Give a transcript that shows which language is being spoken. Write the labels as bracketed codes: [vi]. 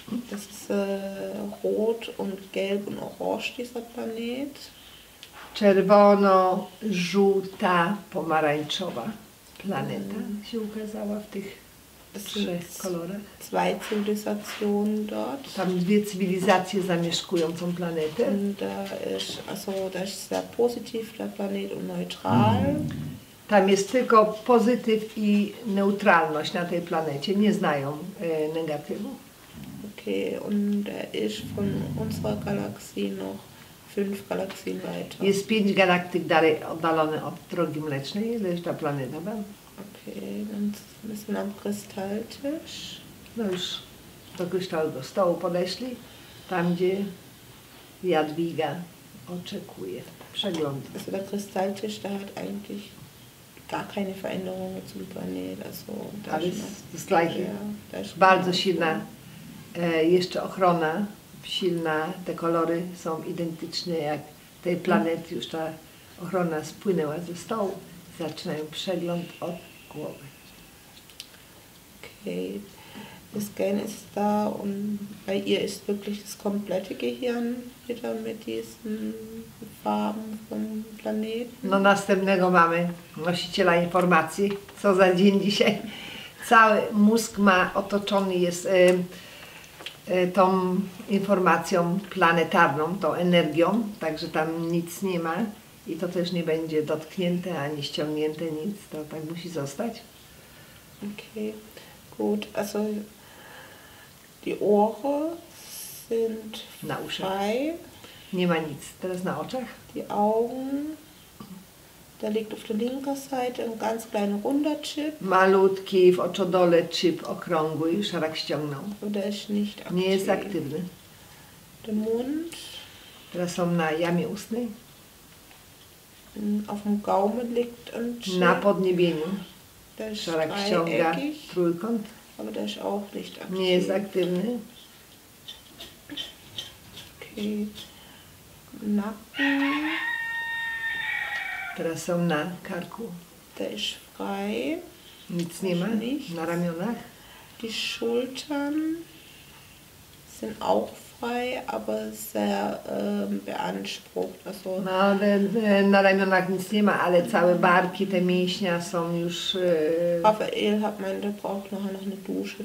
[de] Das ist rot und gelb und orange, dieser Planet. [pl] Czerwono, żółta, pomarańczowa Planeta. Się ukazała w tych trzech kolorach. [de] Zwei Zivilisationen dort. [pl] Tam dwie cywilizacje zamieszkują tą planetę. [de] Und da ist, also, das ist sehr positiv, der Planet, und neutral. [pl] Tam jest tylko pozytyw i neutralność na tej planecie. Nie znają negatywu. [de] Okay, und er ist von unserer Galaxie noch fünf Galaxien weiter. [pl] Jest pięć galaktyk dalej oddalony od Drogi Mlecznej. Ile jest ta planeta? [de] Okay, dann müssen wir am Kristalltisch. [pl] No już do kryształowego stołu podeszli. Tam, gdzie Jadwiga oczekuje. Przegląd. [de] Also der Kristalltisch, der hat eigentlich gar keine Veränderungen zum Planet. Also, das gleiche. [pl] Bardzo silna. Jeszcze ochrona silna, te kolory są identyczne jak tej planety, już ta ochrona spłynęła ze stołu. Zaczynają przegląd od głowy. Okej, okay. [de] Das Gehirn ist da und bei ihr ist wirklich das komplette Gehirn wieder mit diesen Farben vom Planeten. [pl] No następnego mamy nosiciela informacji, co za dzień dzisiaj. Cały mózg ma otoczony jest tą informacją planetarną, tą energią, także tam nic nie ma i to też nie będzie dotknięte ani ściągnięte nic, to tak musi zostać. [de] Okay, gut, also die Ohren sind [pl] na uszach. Nie ma nic, teraz na oczach. [de] Die Augen, da liegt auf der linken Seite ein ganz kleiner runder Chip. [pl] Malutki w oczodole chip okrągły, szarak ściągnął. Nie jest aktywny. [de] Der Mund. [pl] Teraz są na jamie ustnej. [de] Auf dem Gaumen liegt ein Chip. [pl] Na podniebieniu. Szarak ściąga trójkąt. [de] Aber der ist auch nicht aktiv. [pl] Nie jest aktywny. [de] Okay. Nacken. [pl] Teraz są na karku. [de] Też frei. [pl] Nic nie ma. Na ramionach. [de] Die Schultern sind auch frei, aber sehr beansprucht. Also [pl] no, ale na ramionach nic nie ma, ale całe barki, te mięśnia są już. [de] Rafael hat meint, der braucht noch eine Dusche.